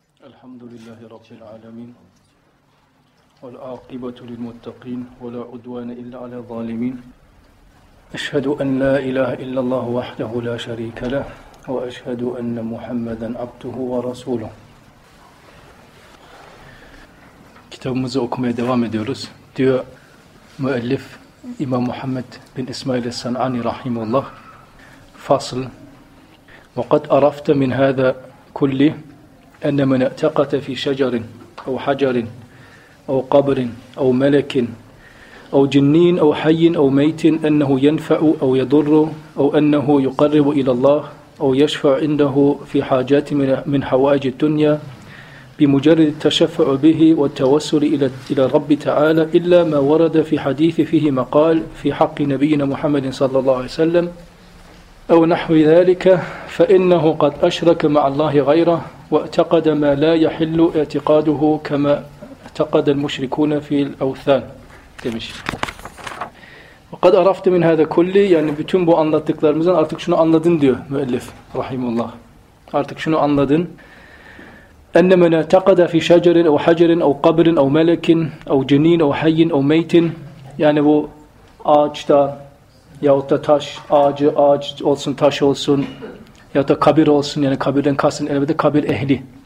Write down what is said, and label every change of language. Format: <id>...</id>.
<ar>الحمد لله رب العالمين، والعاقبة للمتقين، ولا عدوان إلا على الظالمين. أشهد أن لا إله إلا الله وحده لا شريك له، وأشهد أن محمدا عبده ورسوله.</ar> <tr>kitabımızı okumaya devam ediyoruz. Diyor müellif İmam Muhammed bin İsmail es-San'ani rahimullah. Fasıl.</tr> <ar>وقد عرفت من هذا كله أن من اعتقد في شجر أو حجر أو قبر أو ملك أو جنين أو حي أو ميت أنه ينفع أو يضر أو أنه يقرب إلى الله أو يشفع عنده في حاجات من حوائج الدنيا بمجرد التشفع به والتوسل إلى رب تعالى إلا ما ورد في حديث فيه مقال في حق نبينا محمد صلى الله عليه وسلم أو نحو ذلك فإنه قد أشرك مع الله غيره واعتقد ما لا يحل اعتقاده كما اعتقد المشركون في الأوثان</ar> <tr>demiş.</tr> <ar>وقد عرفت من هذا كله</ar> <tr>yani bütün bu anlattıklarımızdan artık şunu anladın diyor müellif rahimullah. Artık şunu anladın.</tr> <ar>أن من اعتقد في شجر أو حجر أو قبر أو ملك أو جنين أو حي أو ميت</ar> <tr>yani bu ağaçta yahut da taş, ağacı, ağaç olsun, taş olsun ya da kabir olsun, yani kabirden kastın elbette kabir ehli.</tr>